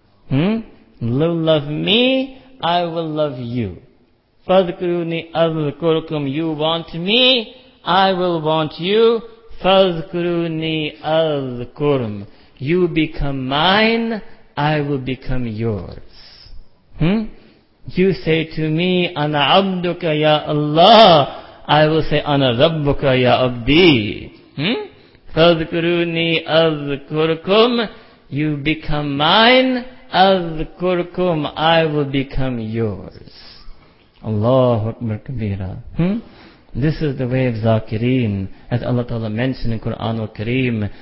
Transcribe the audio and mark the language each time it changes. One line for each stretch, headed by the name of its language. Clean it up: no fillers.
English: Love me, I will love you.
Arabic: فَذْكُرُونِي أَذْكُرْكُمْ,
English: you want me, I will want you.
Arabic: فَذْكُرُونِي أَذْكُرْكُمْ,
English: you become mine, I will become yours. You say to me,
Arabic: أَنَا عَبْدُكَ يَا اللَّهِ,
English: I will say,
Arabic: أَنَا رَبُّكَ يَا عَبْدِي. Tadkuruni adhkurkum,
English: you become mine,
Arabic: adhkurkum,
English: I will become yours. Allahu Akbar Kabira. This is the way of Zakirin, as Allah Ta'ala mentioned in Quran al-Kareem.